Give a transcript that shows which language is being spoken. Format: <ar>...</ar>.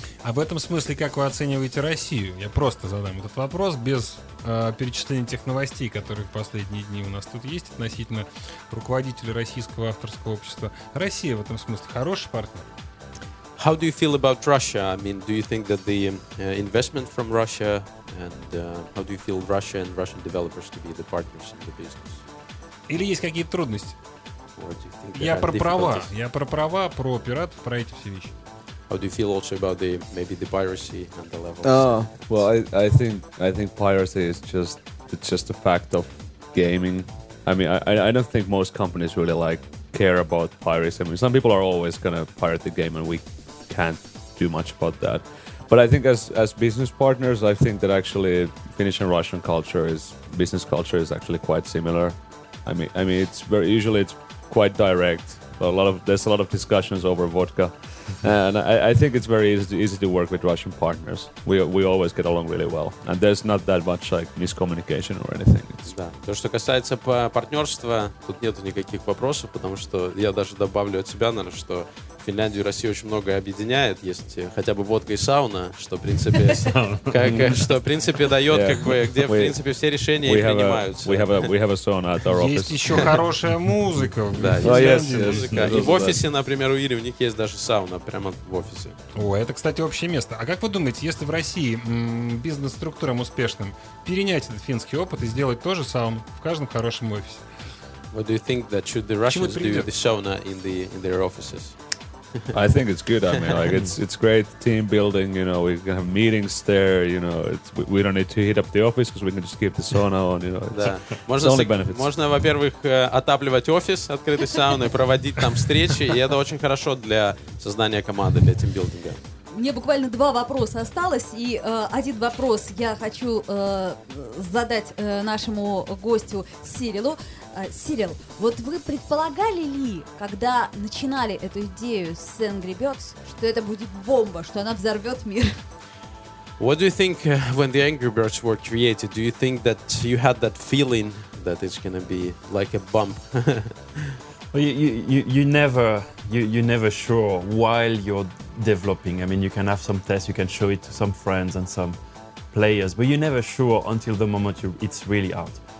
<ru>А в этом смысле как вы оцениваете Россию? Я просто задам этот вопрос без перечисления тех новостей, которые в последние дни у нас тут есть относительно руководителей российского авторского общества. Россия в этом смысле хороший партнер?</ru> <en>How do you feel about Russia? I mean, do you think that the investment from Russia and how do you feel Russia and Russian developers to be the partners in the business?</en> <ru>Или есть какие-то трудности? Я про права. Я про права, про пиратов, про эти все вещи.</ru> <en>How do you feel also about the maybe the piracy and the levels? Well, I think piracy is just a fact of gaming. I mean, I don't think most companies really like care about piracy. I mean, some people are always gonna pirate the game and we can't do much about that. But I think as business partners, I think that actually Finnish and Russian culture is business culture is actually quite similar. I mean it's very usually it's quite direct. There's a lot of discussions over vodka. And I think it's very easy to work with Russian partners. We always get along really well. And there's not that much like miscommunication or anything.</en> <ru>Да. То, что касается партнерства, тут нету никаких вопросов, потому что я даже добавлю от себя, наверное, что Финляндию и Россию очень многое объединяет. Есть хотя бы водка и сауна, что в принципе дает, как бы, где в принципе все решения принимаются.</ru> <en>We have a sauna at our office.</en> <ru>Есть еще хорошая музыка. Да, есть музыка. И в офисе, например, у Ири, у них есть даже сауна прямо в офисе. О, это, кстати, общее место. А как вы думаете, если в России бизнес-структурам успешным перенять этот финский опыт и сделать тоже сауну в каждом хорошем офисе?</ru> <en>What do you think that should the Russians do the sauna in their offices? I think it's good. I mean, like, it's great team building. You know, we can have meetings there. You know, we don't need to heat up the office because we can just keep the sauna on. You know, it's only benefits.</en> <ru>Можно, во-первых, отапливать офис открытой сауной, проводить там встречи, и это очень хорошо для создания команды, для team building. Мне буквально два вопроса осталось, и один вопрос я хочу задать нашему гостю Сирилу. Сирил, вот вы предполагали ли, когда начинали эту идею с Angry Birds, что это будет бомба, что она взорвет мир?</ru> <en>What do you think when the Angry Birds were created? Do you think that you had that feeling that it's gonna be like a bomb? You never sure while you're developing. I mean, you can have some tests, you can show it to some friends and some players, but you're never sure until the moment it's really out.</en>